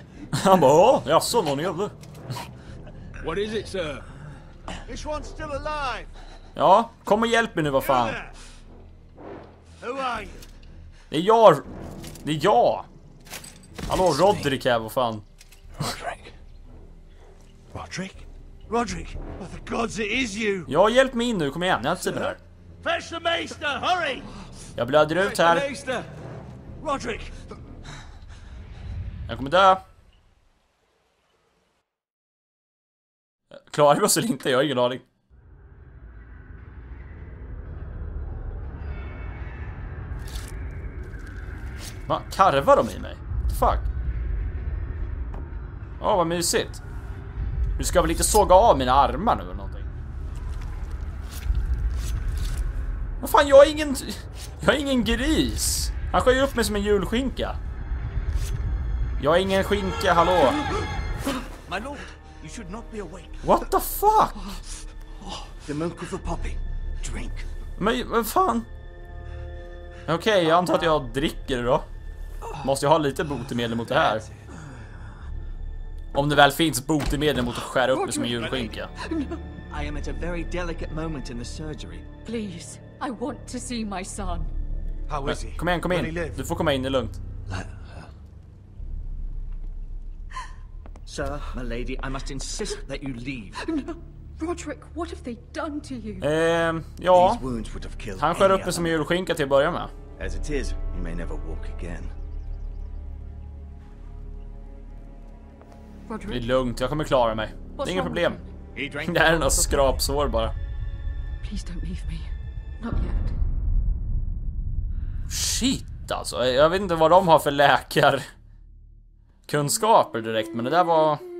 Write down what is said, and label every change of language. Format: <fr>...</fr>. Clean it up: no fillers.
<sv>Han bara, åh, jaså, någon jävla.</sv> <en>What is it, sir? This one's still alive.</en> <sv>Ja, kom och hjälp mig nu, vad fan.</sv> <en>Who are you?</en> <sv>Det är jag. Det är jag. Hallå, Roderick här, vad fan.</sv> <en>Roderick? Roderick, by the gods, it is you.</en> <sv>Ja, hjälp mig in nu, kom igen, jag har inte sett det här.</sv> <en>Fetch the maester, hurry!</en> <sv>Jag blöder ut här.</sv> <en>Roderick!</en> <sv>Jag kommer dö. Klarar vi oss eller inte, jag har ingen aning. Va, karvar de i mig?</sv> <en>What the fuck?</en> <sv>Åh, oh, vad mysigt. Nu ska jag väl lite såga av mina armar nu eller någonting. Vad fan, jag är ingen gris. Han skär ju upp mig som en julskinka. Jag är ingen skinka, hallå.</sv> <en>My lord, you should not be awake. What the fuck? The milk of the poppy. Drink.</en> <sv>Men fan. Okej, jag antar att jag dricker då. Måste jag ha lite botemedel mot det här. Om det väl finns botemedel mot att skära upp mig som en julskinka.</sv> <en>I am at a very delicate moment in the surgery. Please, I want to see my son. How is he?</en> <sv>Kom igen, kom in. Du får komma in, det är lugnt.</sv> <en>Sir, my lady, I must insist that you leave. No. Roderick, what have they done to you?</en> <sv>Ja.</sv> <en>These wounds would have killed.</en> <sv>Han skär upp mig som en julskinka till att börja med.</sv> <en>As it is, he may never walk again.</en> <sv>Det är lugnt, jag kommer klara mig. Det är inga problem. Det här är några skrapsår bara.</sv> <en>Please don't leave me. Not yet.</en> <sv>Shit alltså, jag vet inte vad de har för läkarkunskaper direkt, men det där var...</sv>